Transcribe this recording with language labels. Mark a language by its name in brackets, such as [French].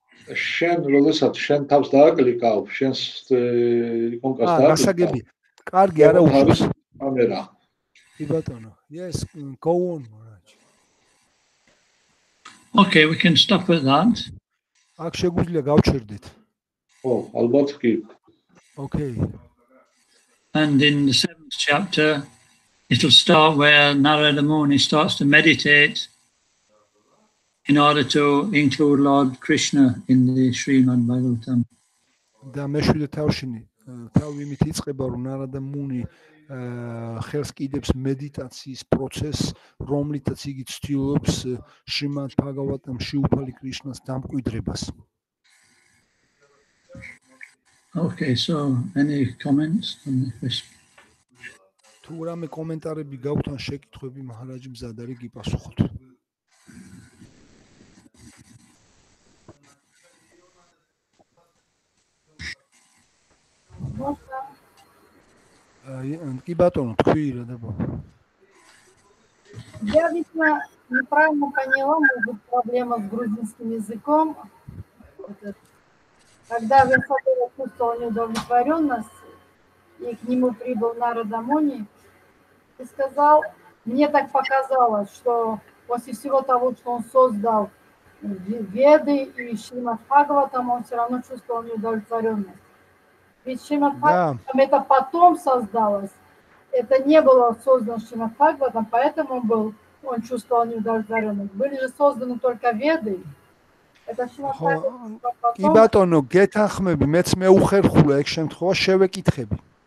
[Georgian] შენ როდესაც შენ თავს დააკლიკავ, შენს იკონკას დააკლიკავ. აა, გასაგები. კარგი, არა უშვის. კამერა. კი ბატონო. [English] Yes, go on, Maharaj. Okay, we can stop at that. [Georgian] აქ შეგვიძლია გავჩერდეთ. ხო, ალბათ კი. [English] Okay. And in the 7th chapter it will start where Narada Muni starts to meditate in order to include Lord Krishna in the Srimad Bhagavatam. [Georgian] და მეშვიდე თავშინი, თავი იმით იწყება, რომ Narada Muni ხელს კიდებს მედიტაციის პროცესს, რომლითაც იგი ცდილობს შრიმად ბაგავატამში უფალი კრიშნას დამკვიდრებას. [English] Okay, so any comments on this? [Georgian] თუ რამე კომენტარები გაქვთ ან შეკითხვები, მაჰარაჯი მზადა რიგი პასუხოთ. აი, კი ბატონო, თქვი რა დაბა. [Russian] Я весьма неправильно поняла, может, проблема с грузинским языком. Когда вы сказали, что он удовлетворен нас, и к нему прибыл Нарада Муни, и сказал, мне так показалось, что после всего того, что он создал Веды и Шримад Бхагаватам, он все равно чувствовал неудовлетворенность. Ведь Шримад Бхагаватам это потом создалось. Это не было создано Шримад Бхагаватам, поэтому он чувствовал неудовлетворенность. Были же созданы только Веды. [Georgian] ხო, კი ბატონო, გეთანხმები, მეც მეუხერხულა ეგ შემთხვევა, შევეკითხები.